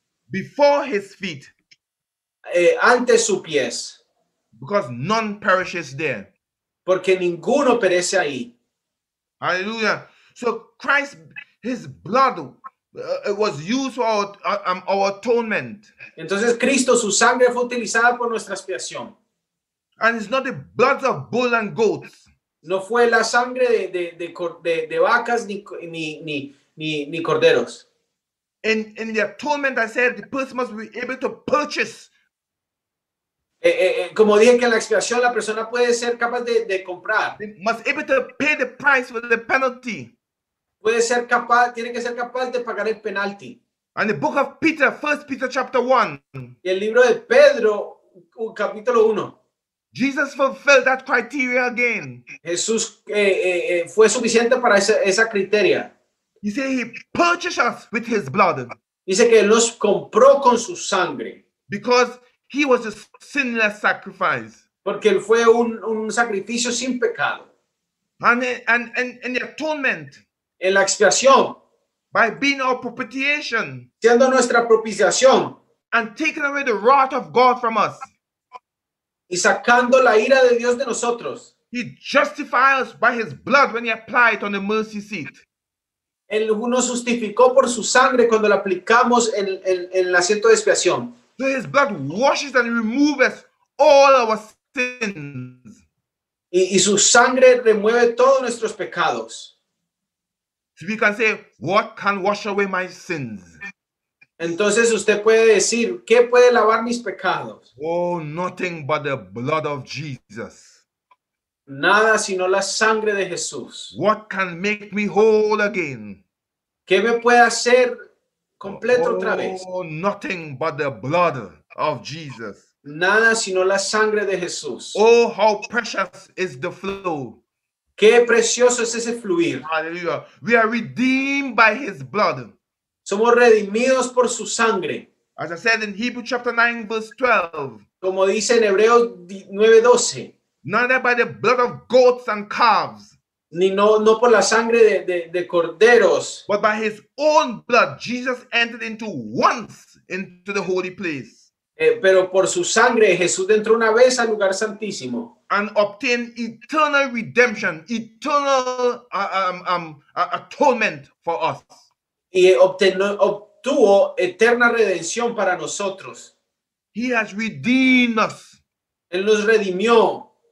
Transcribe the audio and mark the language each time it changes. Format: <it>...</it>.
<en>Before his feet.</en> <es>Ante sus pies.</es> <en>Because none perishes there.</en> <es>Porque ninguno perece ahí.</es> <en>Hallelujah. So Christ, his blood was used for our atonement.</en> <es>Entonces Cristo, su sangre fue utilizada por nuestra expiación.</es> <en>And it's not the blood of bull and goats.</en> <es>No fue la sangre de vacas ni corderos.</es> <en>In the atonement, I said the person must be able to purchase.</en> <es>Como dije que en la expiación la persona puede ser capaz de comprar.</es> <en>They must be able to pay the price with the penalty.</en> <es>Puede ser capaz, tiene que ser capaz de pagar el penalti.</es> <en>And the book of Peter, 1 Peter chapter 1.</en> <es>Y el libro de Pedro, capítulo 1.</es> <en>Jesus fulfilled that criteria again.</en> <es>Jesús fue suficiente para esa criteria.</es> <en>He said he purchased us with his blood.</en> <es>Dice que los compró con su sangre.</es> <en>Because he was a sinless sacrifice.</en> <es>Porque él fue un sacrificio sin pecado.</es> <en>And the atonement.</en> <es>En la expiación.</es> <en>By being our propitiation.</en> <es>Siendo nuestra propiciación.</es> <en>And taking away the wrath of God from us.</en> <es>Y sacando la ira de Dios de nosotros.</es> <en>He justifies by his blood when he applied on the mercy seat.</en> <es>Él nos justificó por su sangre cuando la aplicamos en el asiento de expiación.</es> <en>So his blood washes and removes all our sins.</en> <es>Y su sangre remueve todos nuestros pecados.</es> <en>So we can say, what can wash away my sins?</en> <es>Entonces usted puede decir, ¿qué puede lavar mis pecados?</es> <en>Oh, nothing but the blood of Jesus.</en> <es>Nada sino la sangre de Jesús.</es> <en>What can make me whole again?</en> <es>¿Qué me puede hacer completo otra vez?</es> <en>Oh, nothing but the blood of Jesus.</en> <es>Nada sino la sangre de Jesús.</es> <en>Oh, how precious is the flow.</en> <es>¿Qué precioso es ese fluir?</es> <en>Hallelujah. We are redeemed by his blood.</en> <es>Somos redimidos por su sangre.</es> <en>As I said in Hebrews chapter 9, verse 12.</en> <es>Como dice en Hebreos 9:12.</es> <en>Neither by the blood of goats and calves.</en> <es>Ni no por la sangre de corderos.</es> <en>But by his own blood, Jesus entered into once into the holy place.</en> <es>Pero por su sangre, Jesús entró una vez al lugar santísimo.</es> <en>And obtained eternal redemption, eternal atonement for us.</en> <es>Y tuvo eterna redención para nosotros.</es> <en>He has redeemed us.</en> <es>Él nos redimió.</es>